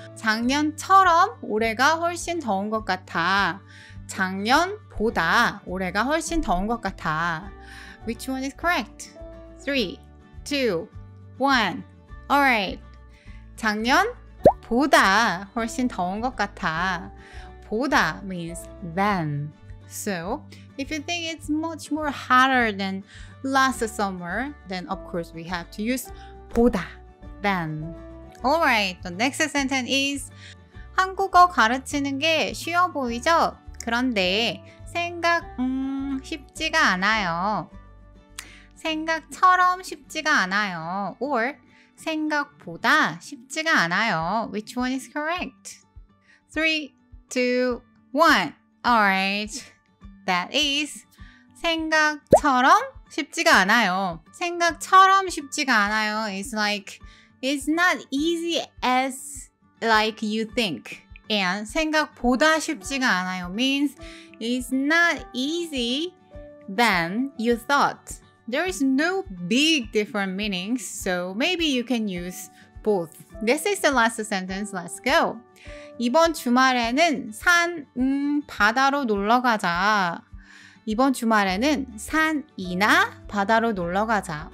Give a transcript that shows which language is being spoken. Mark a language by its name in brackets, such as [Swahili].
[Korean] 작년처럼 올해가 훨씬 더운 것 같아. 작년보다 올해가 훨씬 더운 것 같아. [English] Which one is correct? 3, 2, 1. Alright. [Korean] 작년보다 훨씬 더운 것 같아. [English] 보다 means than. So, if you think it's much more hotter than last summer, then of course we have to use 보다, than. Alright, the next sentence is [Korean] 한국어 가르치는 게 쉬워 보이죠? 그런데 생각 쉽지가 않아요. 생각처럼 쉽지가 않아요. Or 생각보다 쉽지가 않아요. [English] Which one is correct? 3, 2, 1. Alright. That is [Korean] 생각처럼 쉽지가 않아요. 생각처럼 쉽지가 않아요. [English] It's like it's not easy as like you think. And [Korean] 생각보다 쉽지가 않아요 [English] means it's not easy than you thought. There is no big different meanings, so maybe you can use both. This is the last sentence. Let's go. [Korean] 이번 주말에는 산 바다로 놀러 가자. 이번 주말에는 산이나 바다로 놀러 가자.